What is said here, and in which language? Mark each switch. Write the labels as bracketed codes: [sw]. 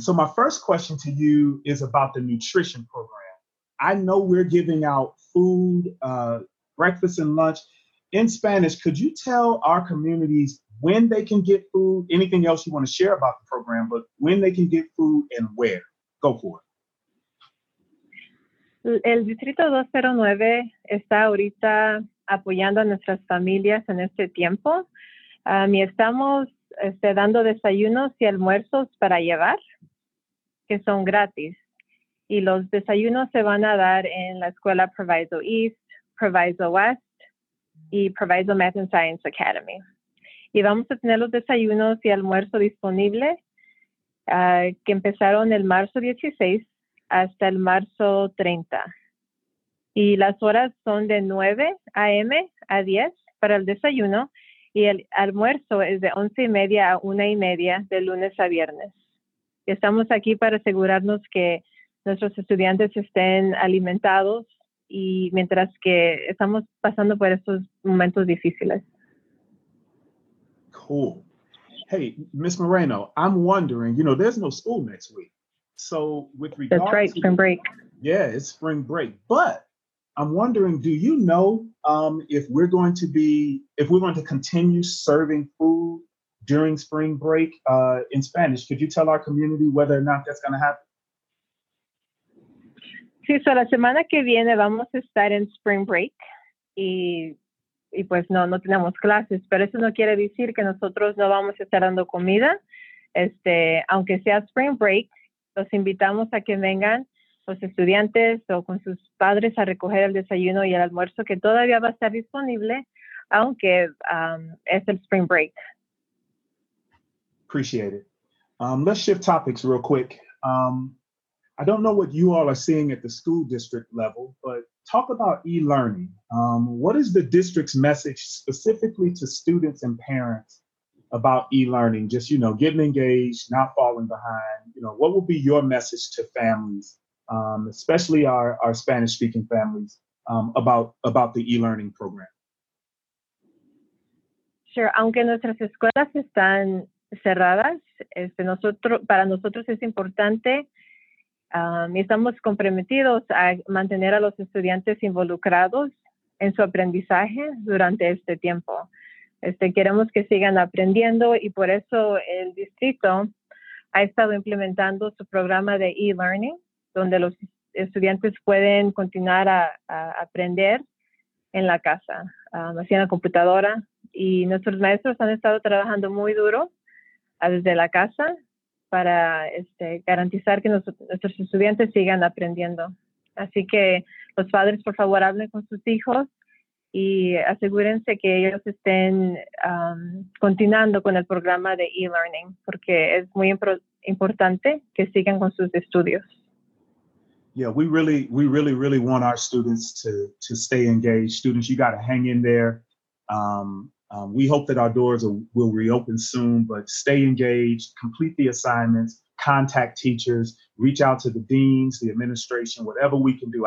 [en] So my first question to you is about the nutrition program. I know we're giving out food, breakfast and lunch. In Spanish, could you tell our communities when they can get food, anything else you want to share about the program, but when they can get food and where? Go for it. [es] El Distrito 209 está ahorita apoyando a nuestras familias en este tiempo. Y estamos dando desayunos y almuerzos para llevar, que son gratis. Y los desayunos se van a dar en la escuela Proviso East, Proviso West y Proviso Math and Science Academy. Y vamos a tener los desayunos y almuerzo disponibles que empezaron el marzo 16 hasta el marzo 30. Y las horas son de 9 a.m. a 10 para el desayuno. Y el almuerzo es de 11 y media a 1 y media de lunes a viernes. Estamos aquí para asegurarnos que nuestros estudiantes estén alimentados y mientras que estamos pasando por estos momentos difíciles. [en] Cool. Hey, Ms. Moreno, I'm wondering, you know, there's no school next week. So with regard to... That's right, spring break. Yeah, it's spring break. But I'm wondering, do you know if we're going to continue serving food during spring break in Spanish? Could you tell our community whether or not that's going to happen? [es] Sí, so la semana que viene vamos a estar en spring break y pues no tenemos clases, pero eso no quiere decir que nosotros no vamos a estar dando comida. Aunque sea spring break, los invitamos a que vengan los estudiantes o con sus padres a recoger el desayuno y el almuerzo que todavía va a estar disponible, aunque es el spring break. [en] Appreciate it. Let's shift topics real quick. I don't know what you all are seeing at the school district level, but talk about e-learning. What is the district's message specifically to students and parents about e-learning? Just, you know, getting engaged, not falling behind. You know, what will be your message to families, especially our Spanish-speaking families, about the e-learning program? Sure. [es] Aunque nuestras escuelas están cerradas, para nosotros es importante y estamos comprometidos a mantener a los estudiantes involucrados en su aprendizaje durante este tiempo. Queremos que sigan aprendiendo y por eso el distrito ha estado implementando su programa de e-learning, donde los estudiantes pueden continuar a aprender en la casa, así en la computadora. Y nuestros maestros han estado trabajando muy duro desde la casa para garantizar que nuestros estudiantes sigan aprendiendo. Así que los padres, por favor, hablen con sus hijos y asegúrense que ellos estén continuando con el programa de e-learning, porque es muy importante que sigan con sus estudios. [en] Yeah, we really want our students to stay engaged. Students, you got to hang in there. We hope that our doors will reopen soon, but stay engaged, complete the assignments, contact teachers, reach out to the deans, the administration, whatever we can do.